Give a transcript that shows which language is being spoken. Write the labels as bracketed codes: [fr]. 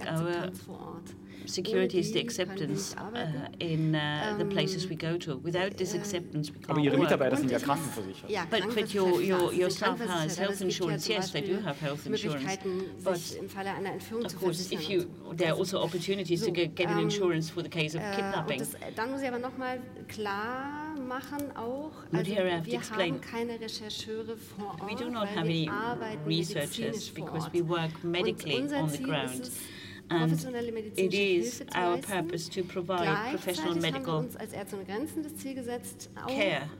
[en] Our security is the acceptance in the places we go to. Without this acceptance, we can't work. [de] Aber Ihre Mitarbeiter sind ja krankenversichert. Ja, [en] but your staff has health insurance. Yes, they do have health insurance. But [de] im Falle einer Entführung [en] of course, if you, there are also opportunities to get an insurance for the case of kidnapping. [de] Und das, dann muss ich aber noch mal klar machen auch, also wir haben keine Rechercheure vor Ort, [en] we do not have any researchers because we work medically on the ground. And it is our purpose to provide professional medical care.